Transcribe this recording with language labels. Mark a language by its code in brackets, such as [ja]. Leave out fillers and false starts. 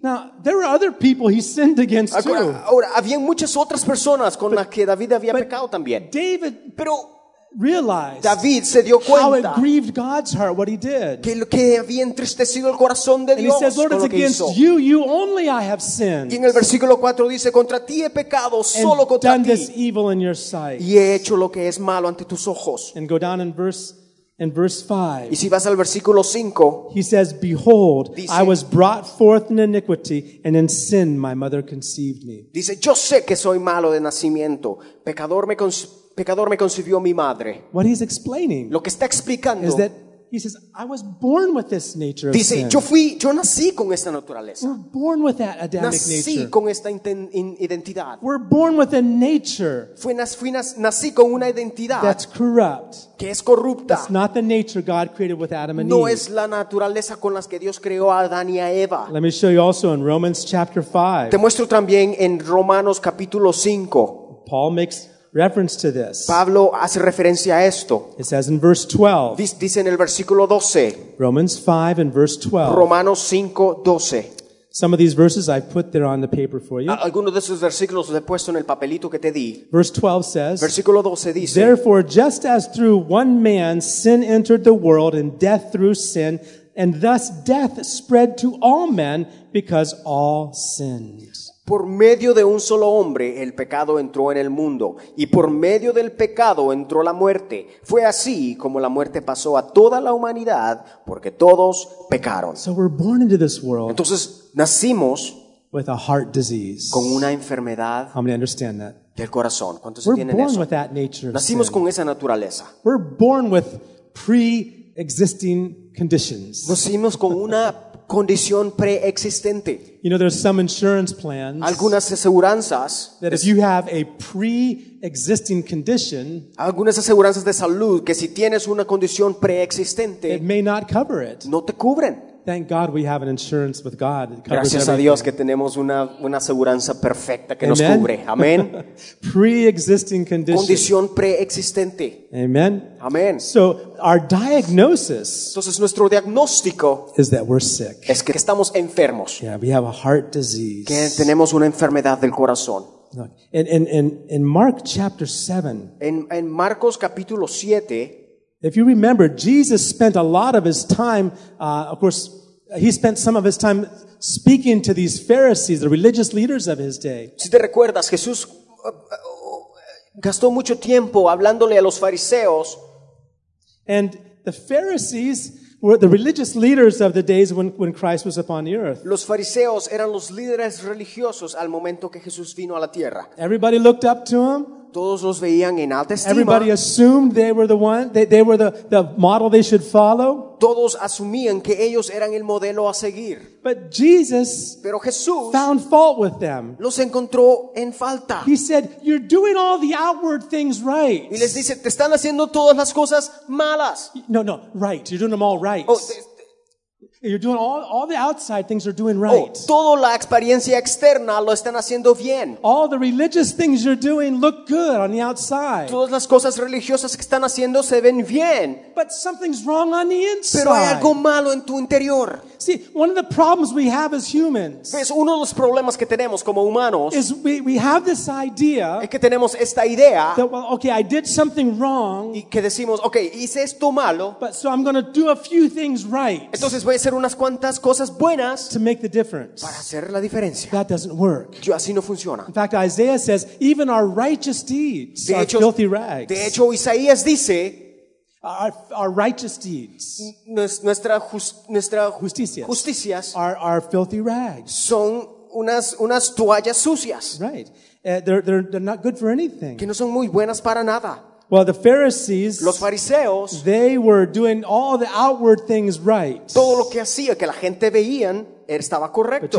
[en] Now, there are other people he sinned against too. [es] Ahora, había muchas otras personas con las que David había pecado también. [en] David, [es] pero [en] realized [es] David se dio cuenta [en] how it grieved God's heart what he did. [es] Que había entristecido el corazón de Dios. [en] And he says, "Lord, it's against you only I have sinned." [es] Y en el versículo 4 dice, "Contra ti he pecado, solo contra ti." [en] "And done this evil in your sight." [es] Y he hecho lo que es malo ante tus ojos. [en] And go down in verse 5. [es] Y si vas al versículo 5, [en] he says, "Behold, [es] dice, [en] I was brought forth in iniquity, and in sin my mother conceived me." [es] Dice, "Yo sé que soy malo de nacimiento, pecador me concibió mi madre." [en] What he's explaining, [es] lo que está explicando, [en] is that he says, "I was born with this nature of sin." [es] Dice, yo nací con esta naturaleza. [en] We're born with that Adamic nature. [es] Nací con esta identidad. [en] We're born with a nature. [es] Nací con una identidad. [en] That's corrupt. [es] Que es corrupta. [en] It's not the nature God created with Adam and [es] no [en] Eve. [es] No es la naturaleza con las que Dios creó a Adán y a Eva. [en] Let me show you also in Romans chapter 5. [es] Te muestro también en Romanos capítulo 5. [en] Paul makes reference to this. [es] Pablo hace referencia a esto. [en] It says in verse 12. [es] Dice en el versículo 12. [en] Romans 5 and verse 12. [es] Romanos 5, 12. [en] Some of these verses I put there on the paper for you. [es] Algunos de esos versículos los he puesto en el papelito que te di. [en] Verse 12 says. [es] Versículo 12 dice. [en] "Therefore, just as through one man sin entered the world and death through sin, and thus death spread to all men because all sinned." [es] Por medio de un solo hombre, el pecado entró en el mundo, y por medio del pecado entró la muerte. Fue así como la muerte pasó a toda la humanidad, porque todos pecaron. [en] So we're born into this world. [es] Entonces, nacimos [en] with a heart disease. [es] Con una enfermedad. [en] I'm gonna understand that. [es] Del corazón. ¿Cuántos [en] we're [es] entienden [en] born [es] eso? [en] With that nature of [es] nacimos [en] sin. [es] Con esa naturaleza. [en] We're born with pre-existing conditions. [es] Nacimos con una condición preexistente. [en] You know, there's some insurance plans. [es] Algunas aseguranzas. [en] That if you have a pre-existing condition. [es] Algunas aseguranzas de salud que si tienes una condición preexistente. [en] It may not cover it. [es] No te cubren. [en] Thank God we have an insurance with God. It covers [es] gracias [en] everything. [es] A Dios que tenemos una aseguranza perfecta que amen. Nos cubre. Amen. [en] Pre-existing condition. [es] Condición preexistente. [en] Amen. [es] Amen. [en] So our diagnosis. [es] Entonces nuestro diagnóstico [en] is that we're sick. [es] Es que estamos enfermos. [en] Yeah, we have a heart disease. [es] Que tenemos una enfermedad del corazón. [en] In Mark chapter 7. [es] En Marcos capítulo 7. [en] If you remember, Jesus spent a lot of his time, of course, he spent some of his time speaking to these Pharisees, the religious leaders of his day. [es] Si te recuerdas, Jesús gastó mucho tiempo hablándole a los fariseos. [en] And the Pharisees were the religious leaders of the days when Christ was upon the earth. [es] Los fariseos eran los líderes religiosos al momento que Jesús vino a la tierra. [en] Everybody looked up to him. [es] Todos los veían en alta estima. [en] Everybody assumed they were the one, they were the model they should follow. [es] Todos asumían que ellos eran el modelo a seguir. [en] But Jesus, [es] pero Jesús, [en] found fault with them. [es] Los encontró en falta. [en] He said, "You're doing all the outward things right." [es] Y les dice, "Te están haciendo todas las cosas malas." [en] No, right. You're doing them all right. Oh, You're doing all the outside things are doing right. [es] Oh, toda la experiencia externa lo están haciendo bien. [en] All the religious things you're doing look good on the outside. [es] Todas las cosas religiosas que están haciendo se ven bien. [en] But something's wrong on the inside. [es] Pero hay algo malo en tu interior. [en] See, one of the problems we have as humans. [es] Pues uno de los problemas que tenemos como humanos [en] is we have this idea. [es] Es que tenemos esta idea. [en] That, well, okay, I did something wrong. [es] Y que decimos, okay, hice esto malo. [en] But so I'm going to do a few things right. [es] Entonces voy a hacer unas cuantas cosas buenas [en] to make the difference. [es] Para hacer la diferencia. [en] That doesn't work. [es] Yo, así no funciona. [en] In fact, Isaiah says even our righteous deeds [es] de hecho, [en] are filthy rags. [es] De hecho, Isaías dice [en] our righteous deeds, [es] nuestra justicias [en] are filthy rags. [es] Son unas toallas sucias. [en] Right. They're not good for anything. [es] Que no son muy buenas para nada. [en] Well, the Pharisees, [es] los fariseos, [en] they were doing all the outward things right. [es] Todo lo que hacía que la gente veían estaba correcto.